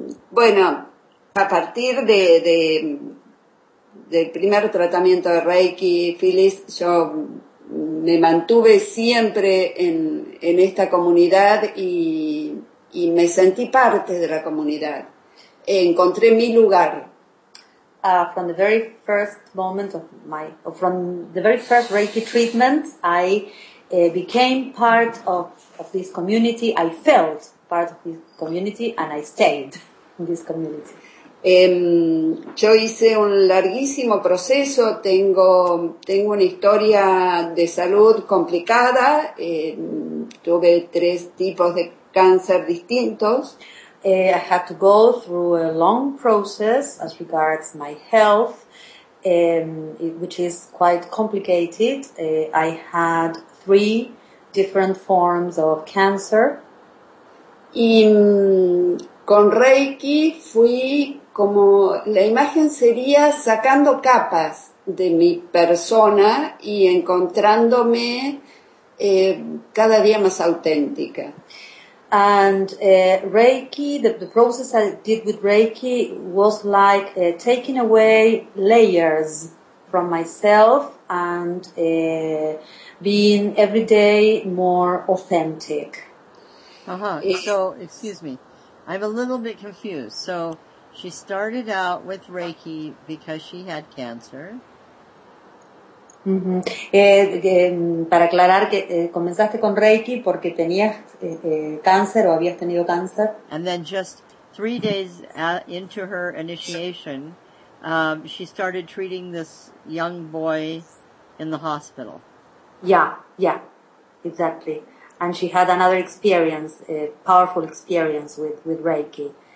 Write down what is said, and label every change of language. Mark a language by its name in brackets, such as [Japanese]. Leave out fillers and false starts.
[Spanish] Bueno, a partir de del primer tratamiento de Reiki, Phyllis, yo me mantuve siempre en esta comunidad y me sentí parte de la comunidad. Encontré mi lugar. [English] From the very first moment of my, from the very first Reiki treatment, I became part of this community. I felt part of this community and I stayed in this community. [Spanish] Yo hice un larguísimo proceso, tengo una historia de salud complicada, tuve tres tipos de cáncer distintos. [English] I had to go through a long process as regards my health, which is quite complicated. I had three different forms of cancer. [Spanish] Y con Reiki fui como, la imagen sería sacando capas de mi persona y encontrándome cada día más auténtica. [English] And Reiki, the process I did with Reiki was like taking away layers from myself and being every day more authentic. Uh-huh. So, excuse me, I'm a little bit confused. So she started out with Reiki because she had cancer. Uh-huh. [Spanish] Para aclarar que comenzaste con Reiki porque tenías cáncer o habías tenido cáncer. [English] And then just 3 days into her initiation, she started treating this young boy in the hospital. Yeah, exactly. And she had another experience, a powerful experience with Reiki.